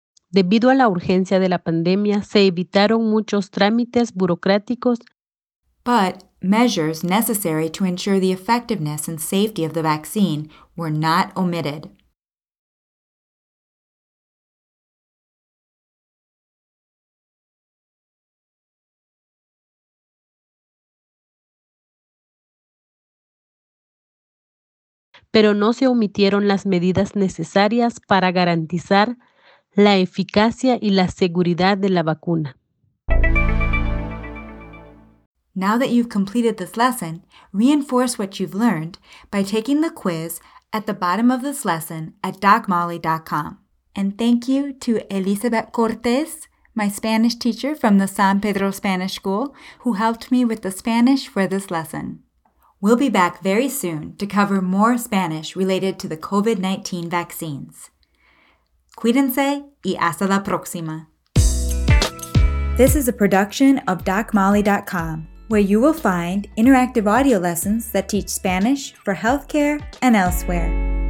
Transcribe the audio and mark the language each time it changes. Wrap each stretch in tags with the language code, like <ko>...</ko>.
<es>Debido a la urgencia de la pandemia, se evitaron muchos trámites burocráticos.</es> <en>But measures necessary to ensure the effectiveness and safety of the vaccine were not omitted.</en> <es>Pero no se omitieron las medidas necesarias para garantizar la eficacia y la seguridad de la vacuna.</es> <en>Now that you've completed this lesson, reinforce what you've learned by taking the quiz at the bottom of this lesson at DocMolly.com. And thank you to Elizabeth Cortez, my Spanish teacher from the San Pedro Spanish School, who helped me with the Spanish for this lesson. We'll be back very soon to cover more Spanish related to the COVID-19 vaccines.</en> <es>Cuídense y hasta la próxima.</es> <en>This is a production of DocMolly.com, where you will find interactive audio lessons that teach Spanish for healthcare and elsewhere.</en>